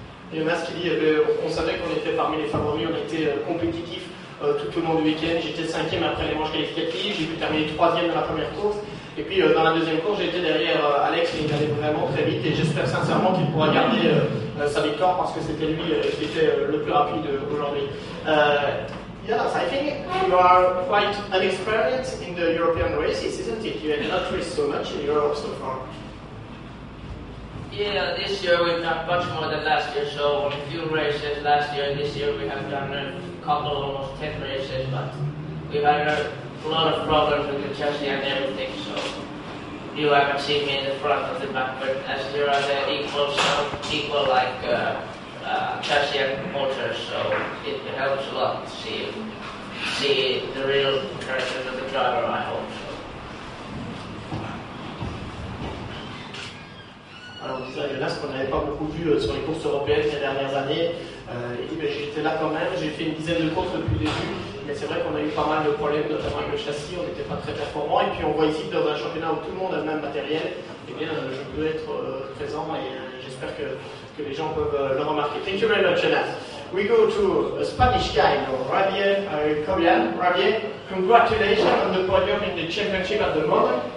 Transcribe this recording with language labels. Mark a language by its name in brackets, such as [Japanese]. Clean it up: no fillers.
[French] Jonas qui dit, on savait qu'on était parmi les favoris, on était compétitif tout au long du week-end. J'étais cinquième après les manches qualificatives, j'ai pu terminer troisième dans la première course. Et puis dans la deuxième course, j'étais derrière Alex et il allait vraiment très vite. Et j'espère sincèrement qu'il pourra garder sa victoire parce que c'était lui qui était le plus rapide aujourd'hui. [English] Yes, I think you are quite inexperienced in the European races, isn't it? You have not raced so much in Europe so far. Yeah, this year we've done much more than last year, so a few races last year and this year we have done a couple, almost 10 races, but we've had a lot of problems with the chassis and everything, so you haven't seen me in the front or the back, but as there are the equal like chassis and motors, so it helps a lot to see the real character of the driver, I hope. [French] Alors, on disait à Jonas qu'on n'avait pas beaucoup vu sur les courses européennes ces dernières années. Il dit, j'étais là quand même, j'ai fait une dizaine de courses depuis le début, mais c'est vrai qu'on a eu pas mal de problèmes, notamment avec le châssis, on n'était pas très performants. Et puis on voit ici que dans un championnat où tout le monde a le même matériel, eh bien, je peux être présent et j'espère que les gens peuvent le remarquer. [English] Thank you very much, Jonas. We go to a Spanish guy, Javier Cobian. Javier, congratulations on the podium in the championship at the moment.